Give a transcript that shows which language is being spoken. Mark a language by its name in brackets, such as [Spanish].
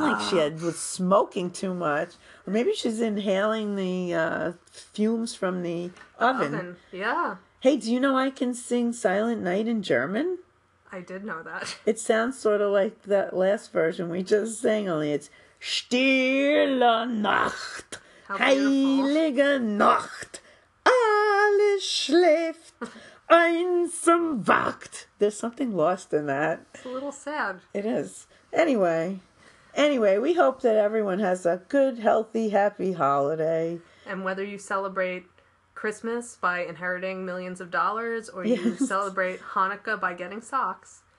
[English] Sound like she was smoking too much. Or maybe she's inhaling the fumes from the oven. Yeah. Hey, do you know I can sing Silent Night in German? I did know that. It sounds sort of like that last version we just sang, only it's Stille Nacht. [German] Heilige Nacht, alles schläft, einsam wacht. [English] There's something lost in that. It's a little sad. It is. Anyway, we hope that everyone has a good, healthy, happy holiday. And whether you celebrate Christmas by inheriting millions of dollars or you celebrate Hanukkah by getting socks.